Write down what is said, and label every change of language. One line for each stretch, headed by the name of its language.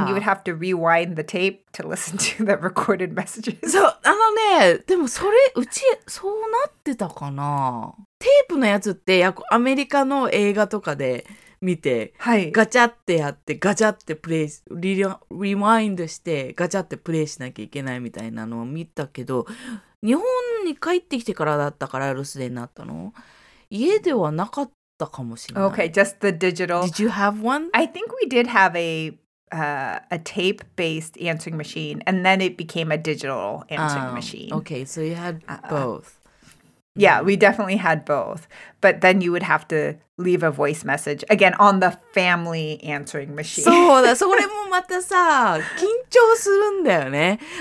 English: And you would have to rewind the tape to listen to the recorded messages.
Japanese: そう、あのね、でもそれ、うち、そうなってたかな？テープのやつって、やっぱアメリカの映画とかで見て、はい、ガチャってやって、ガチャってプレイ、リワインドして、ガチャってプレイしなきゃいけないみたいなのを見たけど、日本に帰ってきてからだったから留守電になったの。家ではなかったかもしれない。
English: Okay, just the digital. Did you have one? I think we did have a tape-based answering machine, and then it became a digital answering machine. Okay, so you had both. Yeah, we definitely had both. But then you would have to leave a voice message, again, on the family answering machine.
Japanese: そうだ、それもまたさ、緊張するんだよね。